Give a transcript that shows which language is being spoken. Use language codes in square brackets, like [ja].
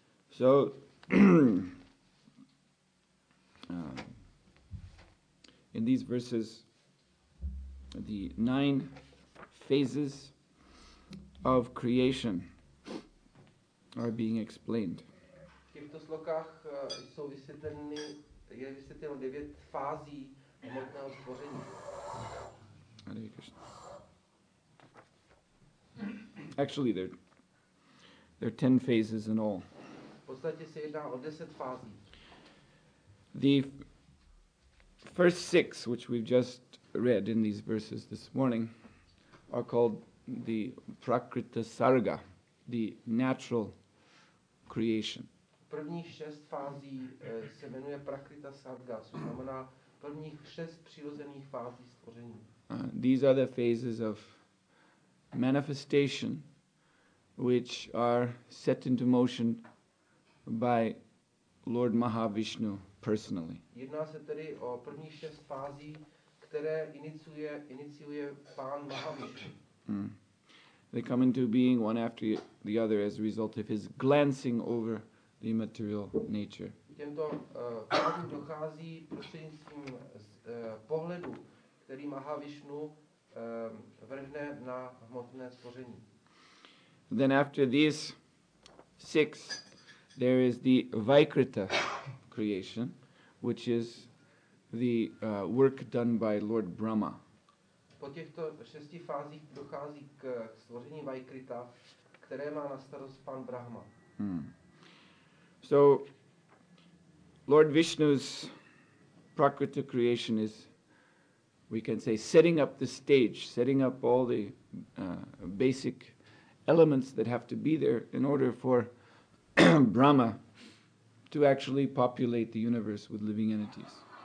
[en] So, in these verses, the nine phases of creation are being explained. [cs] V těchto slokách jsou vysvětleny devět fází hmotného stvoření. Hare Krishna. [en] Actually, there are 10 phases in all. [cs] V podstatě se jedná o 10 fází. [en] The first six, which we've just read in these verses this morning, are called the Prakrita Sarga, the natural creation. [cs] Prvních šest fází se jmenuje Prakrita Sarga, což znamená prvních šest přirozených fází stvoření. [en] These are the phases of manifestation, which are set into motion by Lord Mahavishnu personally. [cs] Jedná se tedy o první šest fází, které iniciuje pán Mahavishnu. [en] They come into being one after the other as a result of his glancing over the immaterial nature. [cs] Těmto fázím dochází prostřednictvím pohledu, který Mahavishnu vrhne na hmotné stvoření. [en] Then after these six, there is the Vaikrita creation, which is the work done by Lord Brahma. [cs] Po těchto šesti fázích dochází k stvoření Vaikrita, které má na starost pan Brahma. [en] So, Lord Vishnu's Prakrita creation is, we can say, setting up the stage, setting up all the basic elements that have to be there in order for Brahma to actually populate the universe with living entities.